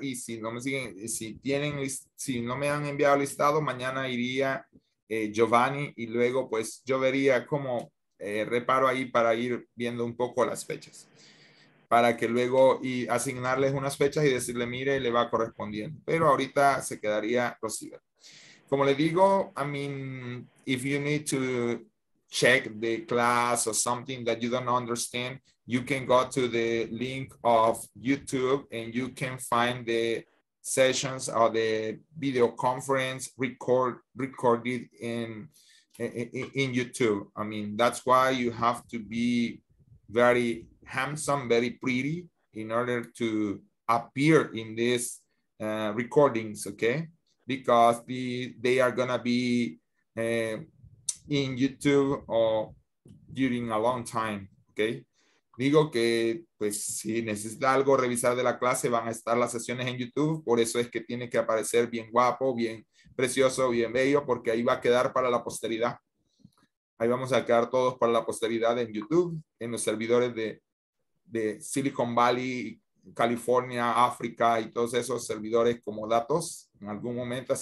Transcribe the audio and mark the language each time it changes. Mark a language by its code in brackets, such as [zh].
[es] Y si no me siguen, si no me han enviado listado, mañana iría Giovanni y luego pues yo vería cómo reparo ahí para ir viendo un poco las fechas, para que luego y asignarles unas fechas y decirle, mire, le va correspondiendo. Pero ahorita se quedaría Rocío. Como le digo, [en] I mean, if you need to check the class or something that you don't understand, you can go to the link of YouTube and you can find the sessions or the video conference recorded in YouTube. I mean, that's why you have to be very handsome, very pretty in order to appear in these recordings, okay? Because they are gonna be in YouTube or during a long time, okay? [es] Digo que, pues, si necesita algo revisar de la clase, van a estar las sesiones en YouTube. Por eso es que tiene que aparecer bien guapo, bien precioso, bien bello, porque ahí va a quedar para la posteridad. Ahí vamos a quedar todos para la posteridad en YouTube, en los servidores de Silicon Valley, California, África y todos esos servidores como datos en algún momento.